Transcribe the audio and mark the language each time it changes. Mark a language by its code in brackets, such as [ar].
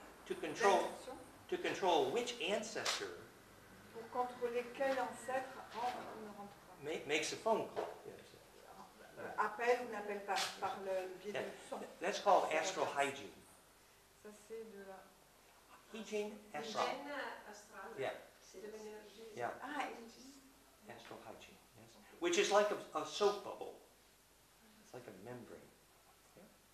[en] To control which ancestor [fr] pour contrôler quel ancêtre rentre ou ne rentre pas. [en] Makes a phone call. Yes. [fr] Appelle ou n'appelle pas par le biais du son. [en] That's called astral hygiene. [fr] Ça c'est de la hygiène astral. Yeah. C'est de l'énergie. [en] Yeah. Ah, hygiene. Astral hygiene. Yes. Okay. Which is like a soap bubble. It's like a membrane. Yeah.